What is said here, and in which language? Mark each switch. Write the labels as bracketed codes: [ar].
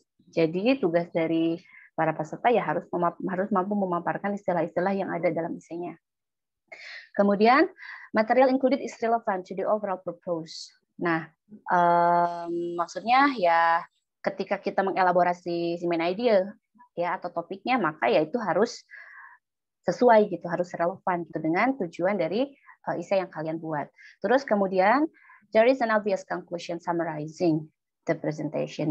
[id] Jadi tugas dari para peserta ya harus mampu memaparkan istilah-istilah yang ada dalam esainya. Kemudian [en] material included is relevant to the overall purpose. [id] Nah, maksudnya ya ketika kita mengelaborasi si main idea ya atau topiknya, maka ya itu harus sesuai gitu, harus relevan gitu dengan tujuan dari essay yang kalian buat. Terus kemudian [en] there is an obvious conclusion summarizing the presentation.